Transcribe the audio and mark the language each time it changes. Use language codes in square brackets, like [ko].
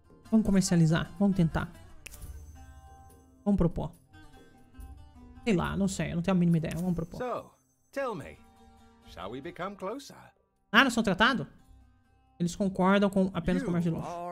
[pt] Vamos comercializar. Vamos tentar. Vamos propor. Sei lá, não sei, não tenho a mínima ideia. Vamos propor. [en] So, tell me, shall we become closer? [pt] Ah, não são tratado? Eles concordam com apenas comércio de luxo.